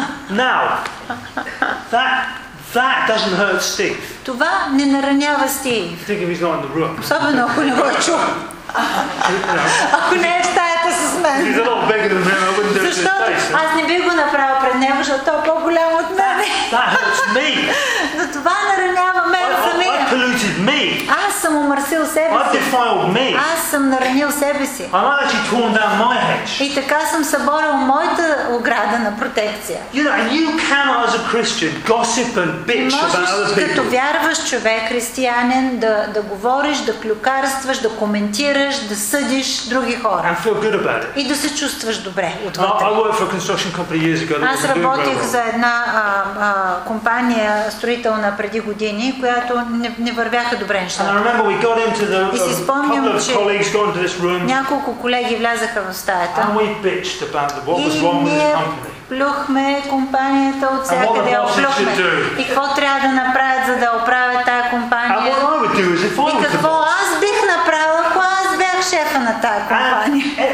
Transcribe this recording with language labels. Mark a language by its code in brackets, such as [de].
[en] Now, that doesn't hurt Steve. [bg] Това не наранява Стив. [en] Think if he's not in the room. [bg] Особено ако не го чу. Ако не е в стаята с мен. [en] He's a lot bigger than him. I wouldn't do it. [bg] Защото аз не бих го направил пред него, защото той е по-голям от мен. [en] That hurts me. [bg] Но това наранява мен самия. [en] I polluted me. [bg] Аз съм омърсил себе си. [en] I defiled me. [bg] Аз съм наранил себе си. [en] I actually torn down my hedge. [bg] И така съм съборил моята ограда на протекция. [en] You know, and you cannot as a Christian gossip and bitch about other people. [bg] Като вярваш човек, християнин, да говориш, да клюкарстваш, да коментираш, да съдиш други хора. [en] And feel good about it. [bg] И да се чувстваш добре отвътре. [en] I worked for a construction company years ago. [bg] Аз работих за една компания строителна преди години, която не вървяха добре нещата. И си спомням, че няколко колеги влязаха в стаята. [en] And we bitched about what was wrong with the company. [bg] Плюхме компанията от всякъде, оплюхме. И какво трябва да направят, за да оправят тая компания? И какво аз бих направил, ако аз бях шефа на тая компания?